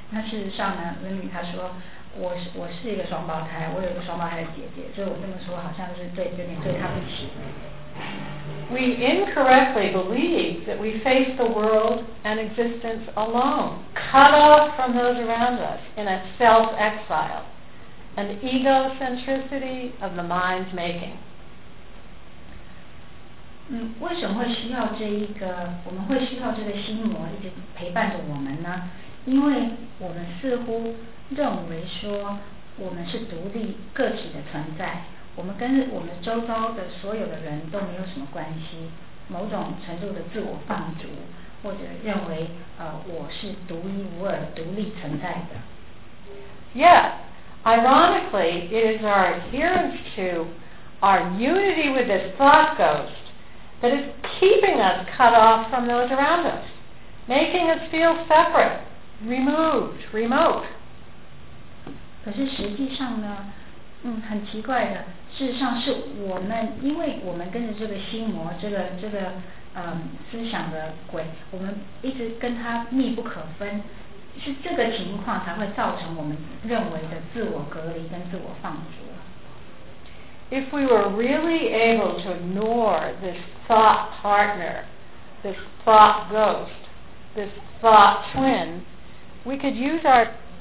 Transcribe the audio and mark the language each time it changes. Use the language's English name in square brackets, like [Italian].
[Chinese] 那事实上呢，文女他说我是一个双胞胎，我有一个双胞胎的姐姐，所以我这么说好像是对，有点对他不起。 [English] We incorrectly believe that we face the world and existence alone, cut off from those around us in a self-exile, an egocentricity of the mind's making. [Chinese] 为什么会需要这一个，我们会需要这个心魔一直陪伴着我们呢？因为我们似乎认为说我们是独立个体的存在，我们跟我们周遭的所有的人都没有什么关系，某种程度的自我放逐，或者认为我是独一无二独立存在的。 [English] Yet, ironically, it is our adherence to our unity with this thought ghost that is keeping us cut off from those around us, making us feel separate, removed, remote. [Chinese] 可是实际上呢，很奇怪的，事实上是我们，因为我们跟着这个心魔，这个思想的鬼，我们一直跟他密不可分，是这个情况才会造成我们认为的自我隔离跟自我放逐。 [English] If we were really able to ignore this thought partner, this thought ghost, this thought twin, we could use our